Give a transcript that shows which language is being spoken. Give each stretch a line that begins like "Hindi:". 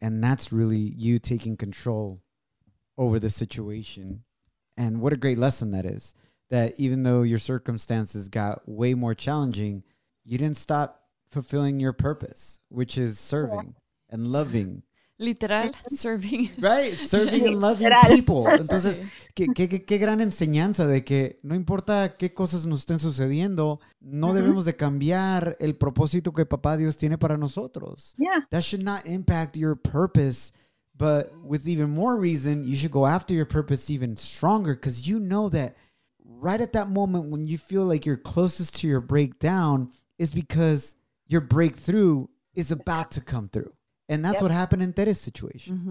English: And that's really you taking control over the situation. And what a great lesson that is. That even though your circumstances got way more challenging, you didn't stop fulfilling your purpose, which is serving and loving. Literal, serving. Right, serving and loving people.
Spanish: Entonces, qué gran enseñanza de que no importa qué cosas nos estén sucediendo, no debemos de cambiar el propósito que papá Dios tiene para nosotros.
English: Yeah. That should not impact your purpose. But with even more reason, you should go after your purpose even stronger because you know that right at that moment when you feel like you're closest to your breakdown is because your breakthrough is about to come through. And that's what happened in Tere's situation.